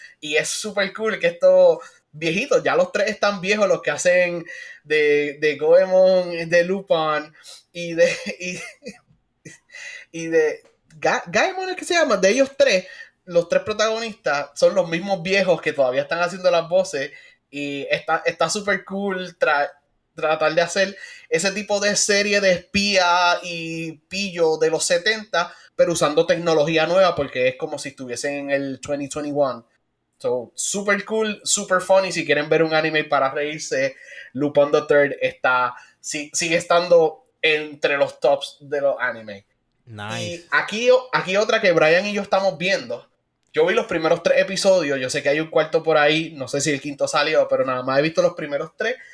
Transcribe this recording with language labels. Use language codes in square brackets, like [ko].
[es] Y es súper cool que esto. Viejitos, ya los tres están viejos, los que hacen de Goemon, de Lupin y de Gaemon, es que se llama, de ellos tres, los tres protagonistas son los mismos viejos que todavía están haciendo las voces y está súper cool tratar de hacer ese tipo de serie de espía y pillo de los 70, pero usando tecnología nueva, porque es como si estuviesen en el 2021. [en] So, super cool, super funny. [es] Si quieren ver un anime para reírse, Lupin the Third sigue estando entre los tops de los animes. Y [en] Nice. [es] aquí otra que Brian y yo estamos viendo. Yo vi los primeros tres episodios. Yo sé que hay un cuarto por ahí. No sé si el quinto salió, pero nada más he visto los primeros tres.